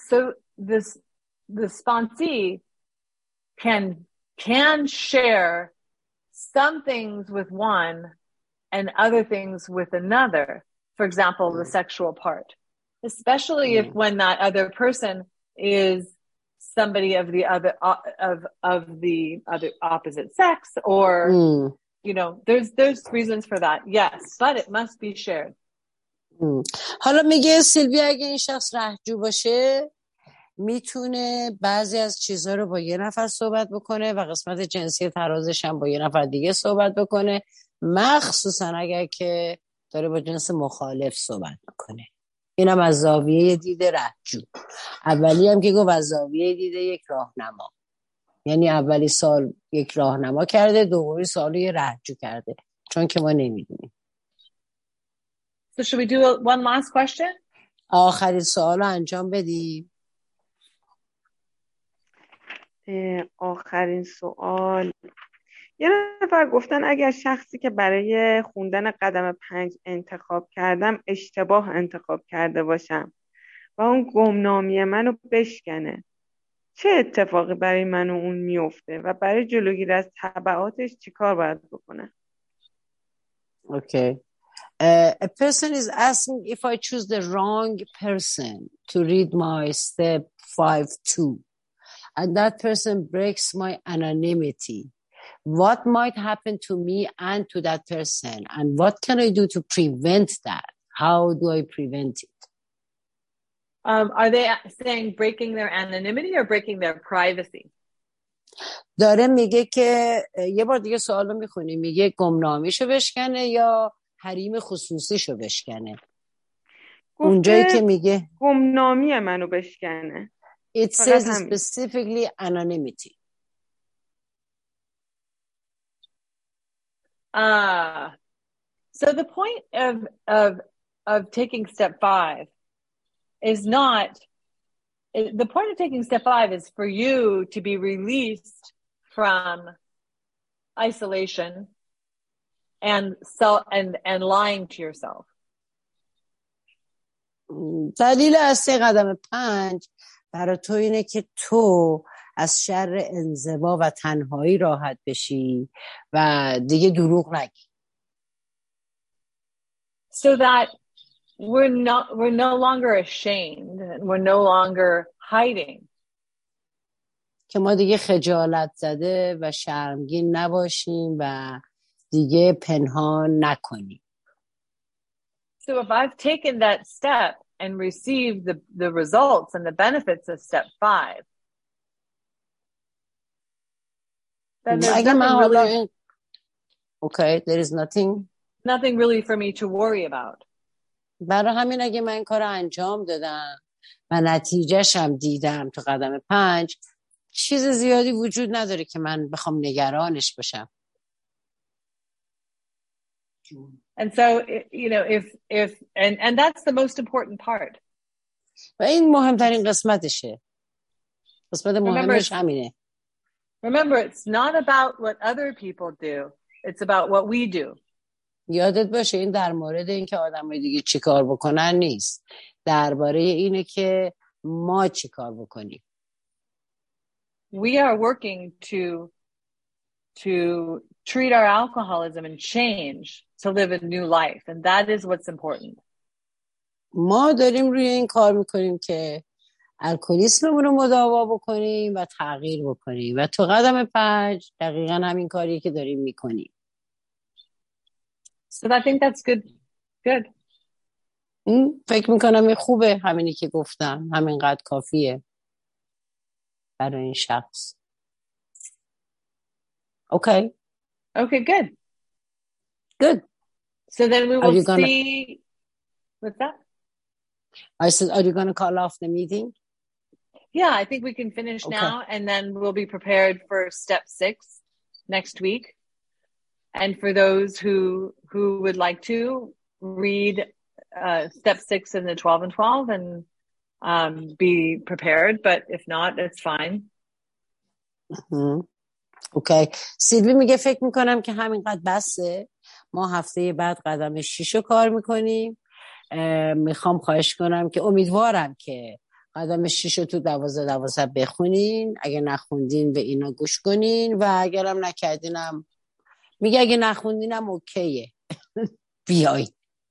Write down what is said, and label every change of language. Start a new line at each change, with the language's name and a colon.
English: So the sponsee can share some things with one and other things with another. For example, the sexual part, especially if when that other person is somebody of the other, of the other opposite sex, or, you know, there's reasons for that. Yes. But it must be shared.
Persian: حالا میگه سیلوی اگه این شخص رهجو باشه میتونه بعضی از چیزها رو با یه نفر صحبت بکنه و قسمت جنسی ترازش هم با یه نفر دیگه صحبت بکنه، مخصوصا اگر که داره با جنس مخالف صحبت بکنه. اینم از زاویه دید رهجو. اولی هم که گفت از زاویه دید یک راهنما، یعنی اولی سال یک راهنما کرده، دومی سال یه رهجو کرده، چون که ما نمیدونیم.
English: So should we do one last question?
Persian: آخری سوال رو انجام بدیم. آخرین سوال. یه نفر گفتن اگر شخصی که برای خوندن قدم پنج انتخاب کردم اشتباه انتخاب کرده باشم و اون گمنامی منو بشکنه، چه اتفاقی برای من و اون میفته و برای جلوگیری از تبعاتش چیکار باید بکنه؟
English: Okay. A person is asking if I choose the wrong person to read my step 5-2 and that person breaks my anonymity, what might happen to me and to that person, and what can I do to prevent that? How do I prevent it? Are they saying breaking their anonymity or breaking their privacy?
Persian: داره میگه که یه بار دیگه سوال رو میخونی، میگه گمنامیشو بشکنه یا حریم خصوصیشو بشکنه. اونجایی که میگه گمنامی منو بشکنه.
English: It says specifically anonymity. So the point of taking step five is not, the point of taking step five is for you to be released from isolation and lying to yourself.
Persian: دلیل اصلی قدم پنج برای تو اینه که تو از شر انزوا و تنهایی راحت بشی و دیگه دروغ نگی.
English: So that we're no longer ashamed and we're no longer hiding.
Persian: که ما دیگه خجالت زده و شرمگین نباشیم و دیگه پنهان نکنی.
English: So if I've taken that step and received the results and the benefits of step five, then there's nothing really. Okay, there is nothing. Nothing really for me to worry about.
Persian: برای همین اگه من این کارو انجام دادم و نتیجهش هم دیدم تو قدم پنج، چیز زیادی وجود نداره که من بخوام نگرانش باشم.
English: And so, you know, if that's the most important part.
Persian: و این مهمترین قسمتشه. قسمت مهمش همینه.
English: Remember, it's not about what other people do. It's about what we do.
Persian: یادت باشه این در مورد اینکه آدمای دیگه چیکار بکنن نیست. درباره اینه که ما چیکار بکنیم.
English: We are working to treat our alcoholism and change to live a new life, and that is what's important.
Persian: ما داریم روی این کار میکنیم که الکلیسممون رو مداوا بکنیم و تغییر بکنیم و تو قدم پنج دقیقاً همین کاری که داریم میکنیم.
English: So I think that's good.
Persian: فکر میکنم این خوبه، همینی که گفتم همینقدر کافیه برای این شخص.
English: Okay. Okay, good. Good. So then we will see. What's that? I said, are you going to call off the meeting? Yeah, I think we can finish now, and then we'll be prepared for step six next week. And for those who would like to read step six in the 12 and 12 and be prepared. But if not, it's fine. Mm-hmm.
Persian: اوکی سیلوی میگه فکر میکنم که همینقدر بسه، ما هفته بعد قدم شیشو کار میکنیم. میخوام خواهش کنم که امیدوارم که قدم شیشو تو دوازده دوازده بخونین، اگه نخوندین به اینا گوش کنین و اگرم نکردینم میگه اگه نخوندینم اوکیه بیایید.